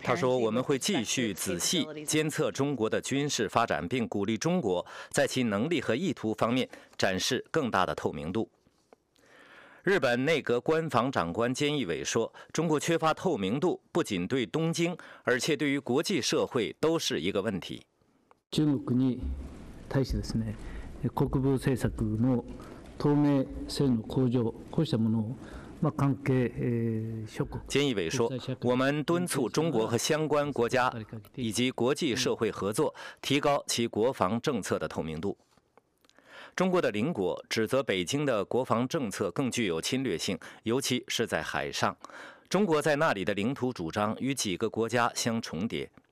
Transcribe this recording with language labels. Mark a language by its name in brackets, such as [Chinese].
[Chinese] 他说，我们会继续仔细监测中国的军事发展，并鼓励中国在其能力和意图方面展示更大的透明度。日本内阁官房长官菅义伟说，中国缺乏透明度不仅对东京，而且对于国际社会都是一个问题。 [Japanese] 中国に対してですね、国防政策の透明性の向上、こうしたものを関係諸国。 [Chinese] 菅义伟说，我们敦促中国和相关国家以及国际社会合作，提高其国防政策的透明度。中国的邻国指责北京的国防政策更具有侵略性，尤其是在海上。中国在那里的领土主张与几个国家相重叠。